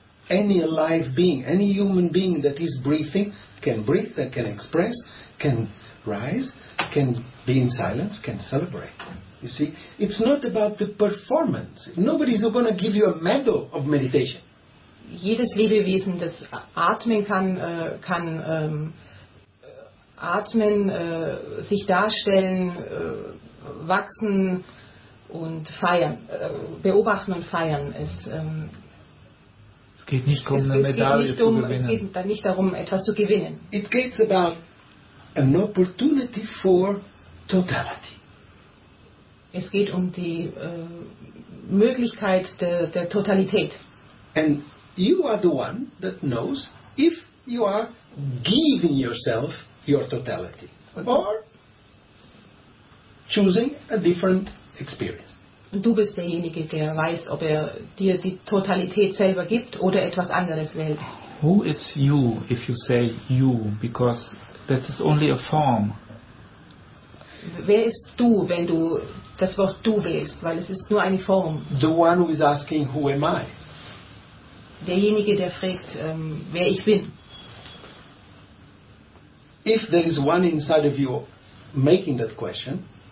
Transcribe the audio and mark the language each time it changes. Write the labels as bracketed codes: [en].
[en] Any alive being, any human being that is breathing, can breathe, that can express, can rise, can be in silence, can celebrate. You see, it's not about the performance. Nobody's going to give you a medal of meditation. [de] Jedes Lebewesen, das atmen kann, kann atmen, sich darstellen, wachsen und feiern, beobachten und feiern. Es geht nicht um eine Medaille zu gewinnen. Es geht dann nicht darum, etwas zu gewinnen. [en] It gets about an opportunity for totality. [de] Es geht um die Möglichkeit der Totalität. [en] And you are the one that knows if you are giving yourself your totality or choosing a different experience. [de] Du bist derjenige, der weiß, ob er dir die Totalität selber gibt oder etwas anderes wählt. [en] Who is you if you say you? Because that is only a form. [de] Wer ist du, wenn du das Wort du wählst? Weil es ist nur eine Form. [en] The one who is asking who am I? [de] Derjenige, der fragt, wer ich bin. [en] If there is one inside of you making that question.